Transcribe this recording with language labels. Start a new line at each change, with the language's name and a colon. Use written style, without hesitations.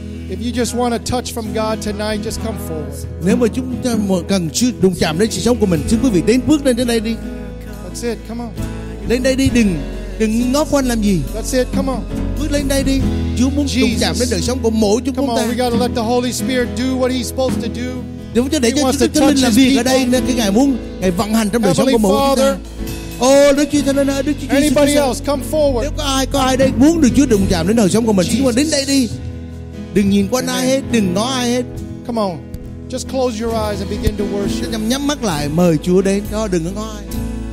English: If you just want a touch from God tonight, just come forward.
Vietnamese: Nếu mà chúng ta cần sự đụng chạm đến sự sống của mình, xin quý vị đến bước lên đến đây đi.
English: That's it, come on.
Vietnamese: Lên đây đi, đừng ngó quanh làm gì.
English: That's it, come on.
Vietnamese: bước lên đây đi. Chúa muốn tụng chạm đến đời sống của mỗi chúng ta.
English: We gotta let the Holy Spirit do what He's supposed to do.
Vietnamese: Để cho Chúa Thánh Linh làm việc ở đây nên cái Ngài muốn Ngài vận hành trong đời sống của mỗi chúng ta. Đức Chúa Thánh Linh, Đức Chúa Jesus.
English: Anybody else, come forward.
Vietnamese: Nếu có ai đây muốn được Chúa đụng chạm đến đời sống của mình, chúng ta đến đây đi. Đừng nhìn qua ai hết, đừng ngó ai hết.
English: Come on, just close your eyes and begin to worship.
Vietnamese: Nhắm mắt lại, mời Chúa đến. Đừng ngó ai.